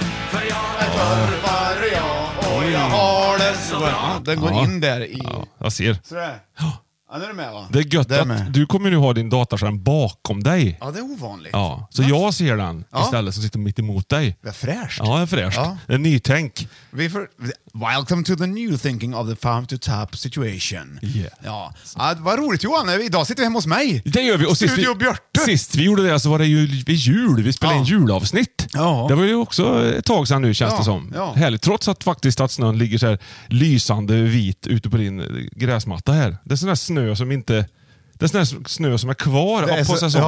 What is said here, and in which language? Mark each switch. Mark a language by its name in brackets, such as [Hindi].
[Swedish] För jag är törpare, ja, och jag har det så bra. Den går in där i... Ja, jag ser. Sådär. Ja, nu är du med, va? Det är gött att du kommer nu ha din dataskärm bakom dig. Ja, det är ovanligt. Ja, så jag ser den istället som sitter mitt emot dig. Det är fräscht. Ja, det är fräscht. Ja. Det är nytänk. [English] Welcome to the new thinking of the farm to tap situation. Yeah. [Swedish] Ja. Ja, vad roligt, Johan. Idag sitter vi hemma hos mig. Det gör vi. Och Studio Björte. Sist vi gjorde det så var det ju vid jul. Vi spelade en julavsnitt. Ja. Det var ju också ett tag sedan nu, känns det som. Ja. Härligt. Trots att faktiskt att snön ligger så här lysande vit ute på din gräsmatta här. Det är sån här snö som inte... Det är sån här snö som är kvar är på säsongen.